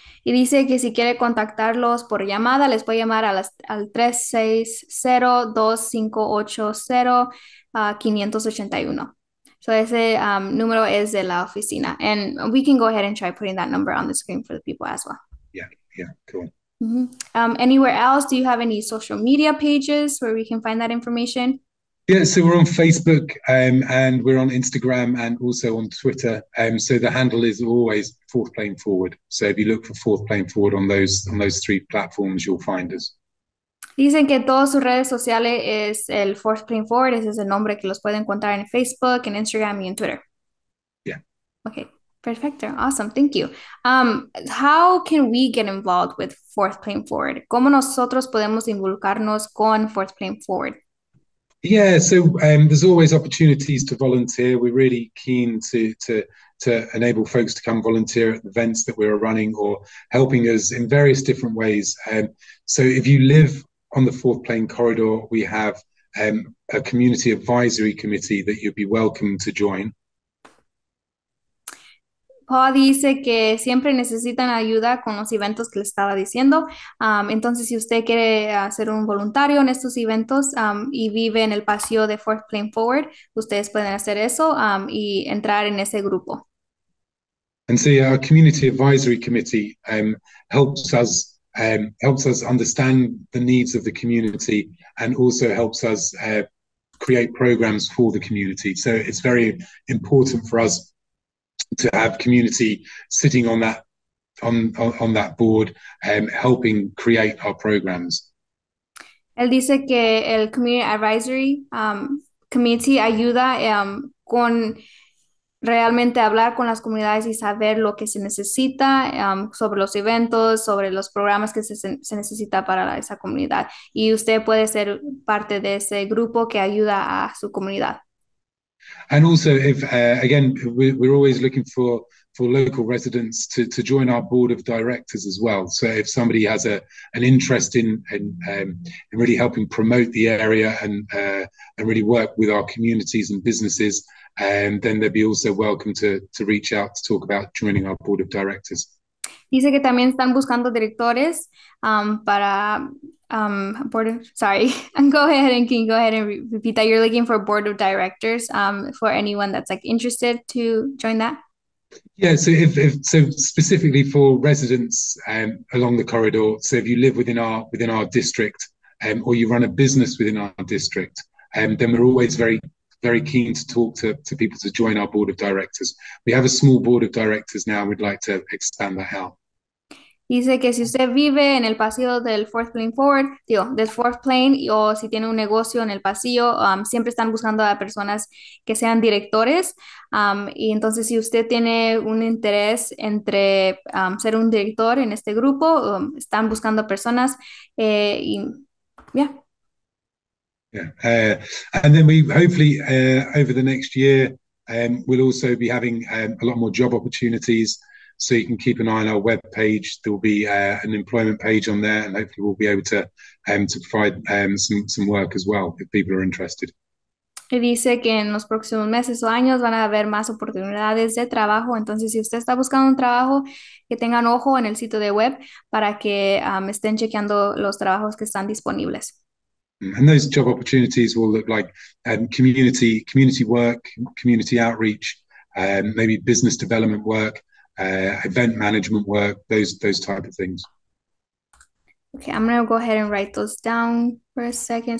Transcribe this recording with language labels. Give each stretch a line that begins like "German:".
Spanish: Y dice que si quiere contactarlos por llamada, les puede llamar al 360-2580-581. So ese número es de la oficina.
English: And we can go ahead and try putting that number on the screen for the people as well. Yeah, cool. Mm-hmm. Anywhere else, do you have any social media pages where we can find that information? Yeah, so we're on Facebook and we're on Instagram and also on Twitter. So the handle is always Fourth Plane Forward. So if you look for Fourth Plane Forward on those three platforms, you'll find us.
Spanish: Dicen que todas sus redes sociales es el Fourth Plane Forward. Ese es el nombre que los pueden encontrar en Facebook, en Instagram y en Twitter.
English: Yeah. Okay, perfecto. Awesome, thank you. How can we get involved with Fourth Plane Forward? ¿Cómo nosotros podemos involucrarnos con Fourth Plane Forward? Yeah, so there's always opportunities to volunteer. We're really keen to enable folks to come volunteer at the events that we're running or helping us in various different ways. So if you live on the Fourth Plain Corridor, we have a community advisory committee that you'd be welcome to join.
Spanish: Paul dice que siempre necesitan ayuda con los eventos que le estaba diciendo. Entonces, si usted quiere ser un voluntario en estos eventos y vive en el paseo de Fourth Plain Forward, ustedes pueden hacer eso y entrar en ese grupo.
English: And so, yeah, our community advisory committee helps us understand the needs of the community and also helps us create programs for the community. So it's very important for us to have community sitting on that on that board and helping create our programs.
Spanish: Él dice que el community advisory committee ayuda con realmente hablar con las comunidades y saber lo que se necesita sobre los eventos, sobre los programas que se necesita para esa comunidad. Y usted puede ser parte de ese grupo que ayuda a su comunidad.
English: And also, if again, we're always looking for local residents to join our board of directors as well. So if somebody has an interest in really helping promote the area and really work with our communities and businesses, then they'd be also welcome to reach out to talk about joining our board of directors. Dice que también están buscando directores para board of, sorry, go ahead and can you go ahead and repeat that. You're looking for a board of directors for anyone that's like interested to join that. Yeah, so so specifically for residents along the corridor. So if you live within our district or you run a business within our district, then we're always very, very keen to talk to people to join our board of directors. We have a small board of directors now, we'd like to expand that out.
Spanish: Dice que si usted vive en el pasillo del Fourth Plain Forward, digo, del Fourth Plain, o si tiene un negocio en el pasillo, siempre están buscando a personas que sean directores. Y entonces, si usted tiene un interés entre ser un director en este grupo, están buscando personas. Y, yeah.
English: Yeah. And then we hopefully over the next year, we'll also be having a lot more job opportunities. So you can keep an eye on our web page. There will be an employment page on there, and hopefully we'll be able to provide some work as well if people are interested.
Spanish: Y dice que en los próximos meses o años van a haber más oportunidades de trabajo. Entonces, si usted está buscando un trabajo, que tengan ojo en el sitio de web para que estén chequeando los trabajos que están disponibles.
English: And those job opportunities will look like community work, community outreach, maybe business development work. Event management work, those type of things. Okay, I'm gonna go ahead and write those down for a second.